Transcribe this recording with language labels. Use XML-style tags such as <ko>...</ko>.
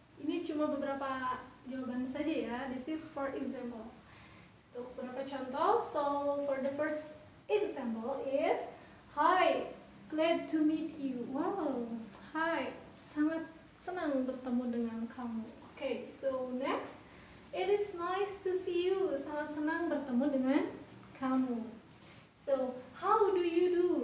<id>Ini cuma beberapa jawaban saja ya.</id> <en>This is for example.</en> <id>Untuk beberapa contoh,</id> <en>so for the first example is hi, glad to meet you.</en> <id>Wow, hi, sangat senang bertemu dengan kamu.</id> <en>Okay, so next, it is nice to see you.</en> <id>Sangat senang bertemu dengan kamu.</id> <en>So, how do you do?</en>